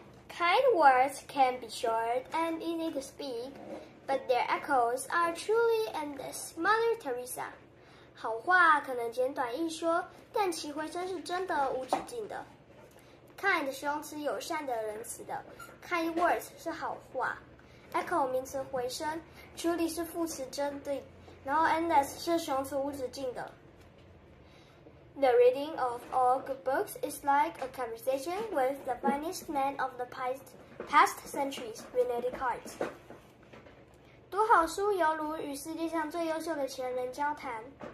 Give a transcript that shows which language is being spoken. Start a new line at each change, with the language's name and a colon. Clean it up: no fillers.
English: Kind words can be short and easy to speak, but their echoes are truly endless. Mother Teresa.
Chinese: 好话可能简短易说，但其回声是真的无止境的。 Kind 形容词友善的，仁慈的。Kind words 是好话。 Echo 名词回声。Truly 是副词真的。然后 endless 是形容词无止境的。
English: The reading of all good books is like a conversation with the finest men of the past centuries. Rene Descartes.
Chinese: 读好书犹如与世界上最优秀的前人交谈。